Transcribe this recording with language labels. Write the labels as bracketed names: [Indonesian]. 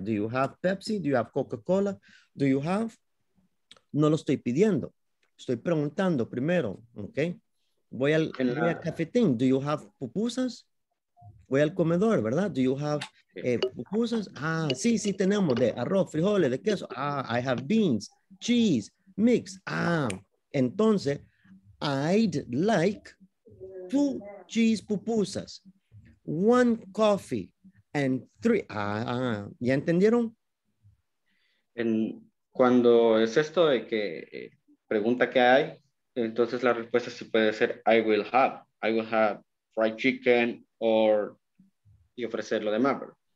[English] Do you have Pepsi? Do you have Coca-Cola? Do you have? [Spanish] No lo estoy pidiendo. Estoy preguntando primero. Okay. Voy al cafetín. [English] Do you have pupusas? [Spanish] Voy al comedor, ¿verdad? [English] Do you have pupusas? [Spanish] Ah, sí, sí tenemos de arroz, frijoles, de queso. [English] Ah, I have beans, cheese, mix. Ah, entonces, I'd like 2 cheese pupusas, 1 coffee, and 3. [Spanish] Ah, ¿ya entendieron? Cuando es esto de que pregunta qué hay, entonces la respuesta sí puede ser [English] I will have fried chicken, [Spanish] y ofrecer lo demás, ¿verdad?